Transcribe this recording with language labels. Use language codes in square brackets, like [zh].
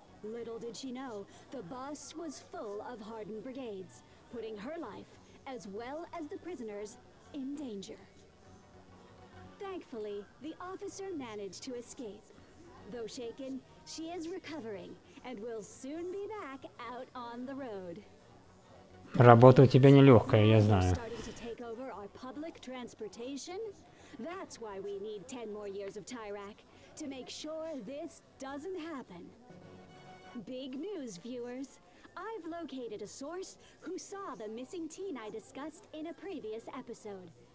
[en] Little did she know, the bus was full of hardened brigades, putting her life, as well as the prisoners, in danger. Thankfully, the officer managed to escape. Though shaken, she is recovering and will soon be back out on the road. [ru] Работа у тебя нелегкая, я знаю. [en] Starting to take over our public transportation? That's why we need 10 more years of Tyrak to make sure this doesn't happen. Big news, viewers. I've located a source who saw the missing teen I discussed in a previous episode.